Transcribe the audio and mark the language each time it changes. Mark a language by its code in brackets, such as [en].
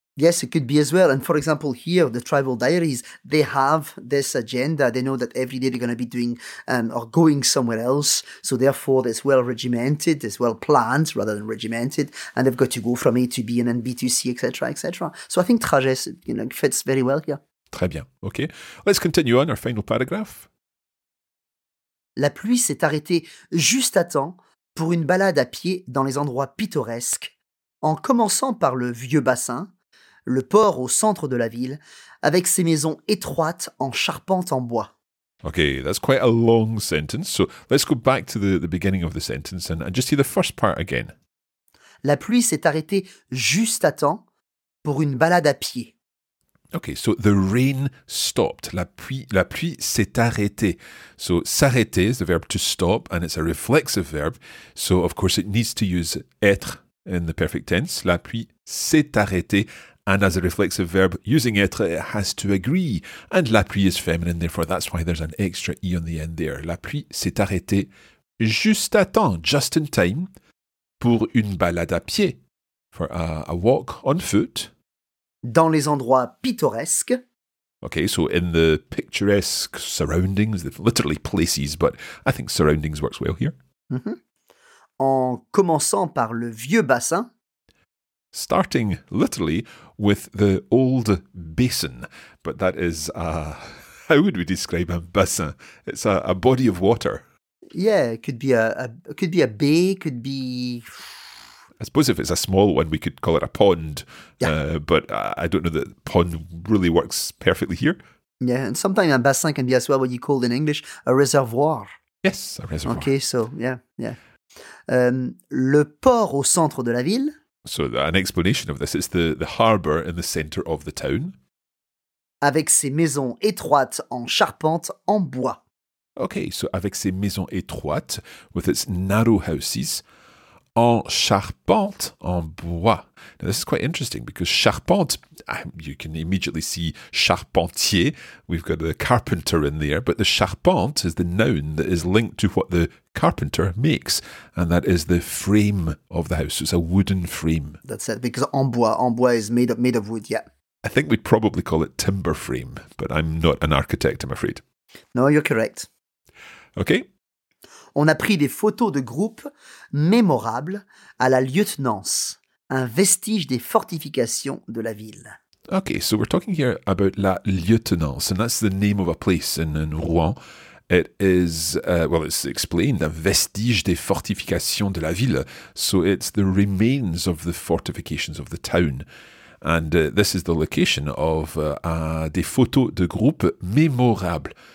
[en] Yes, it could be as well. And for example, here, the tribal diaries, they have this agenda. They know that every day they're going to be doing or going somewhere else. So therefore, it's well regimented, it's well planned rather than regimented. And they've got to go from A to B and then B to C, etc., etc. So I think trajet, you know, fits very well here. [fr] Très bien. [en] OK. Let's continue on our final paragraph. [fr] La pluie s'est arrêtée juste à temps pour une balade à pied dans les endroits pittoresques, en commençant par le vieux bassin, le port au centre de la ville, avec ses maisons étroites en charpente en bois. [en] OK, that's quite a long sentence. So let's go back to the beginning of the sentence and just see the first part again. [fr] La pluie s'est arrêtée juste à temps pour une balade à pied. [en] OK, so the rain stopped. [fr] La pluie s'est arrêtée. [en] So s'arrêter is the verb to stop and it's a reflexive verb. So of course it needs to use être in the perfect tense. [fr] La pluie s'est arrêtée. [en] And as a reflexive verb, using être, it has to agree. And la pluie is feminine, therefore that's why there's an extra E on the end there. [fr] La pluie s'est arrêtée juste à temps, [en] just in time, [fr] pour une balade à pied, [en] for a walk on foot. [fr] Dans les endroits pittoresques. [en] Okay, so in the picturesque surroundings, literally places, but I think surroundings works well here. [fr] Mm-hmm. En commençant par le vieux bassin. [en] Starting literally with the old basin, but that is how would we describe a bassin? It's a body of water. Yeah, it could be a bay, could be. I suppose if it's a small one, we could call it a pond. Yeah. But I don't know that pond really works perfectly here. Yeah, and sometimes a bassin can be as well what you call in English a reservoir. Yes, a reservoir. [fr] Okay, so yeah. Le port au centre de la ville. [en] So an explanation of this is the harbour in the centre of the town. [fr] Avec ses maisons étroites en charpente en bois. Okay, so avec ses maisons étroites, [en] with its narrow houses, [fr] en charpente en bois. [en] Now this is quite interesting because charpente, you can immediately see charpentier. We've got the carpenter in there, but the charpente is the noun that is linked to what the carpenter makes, and that is the frame of the house. So it's a wooden frame. That's it, because en bois is made of wood, yeah. I think we'd probably call it timber frame, but I'm not an architect, I'm afraid. No, you're correct. Okay. [fr] On a pris des photos de groupe mémorables à la lieutenance, un vestige des fortifications de la ville. [en] Okay, so we're talking here about la lieutenance, and that's the name of a place in Rouen. It is, it's explained, [fr] un vestige des fortifications de la ville. [en] So it's the remains of the fortifications of the town. And this is the location of [fr] des photos de groupe mémorables.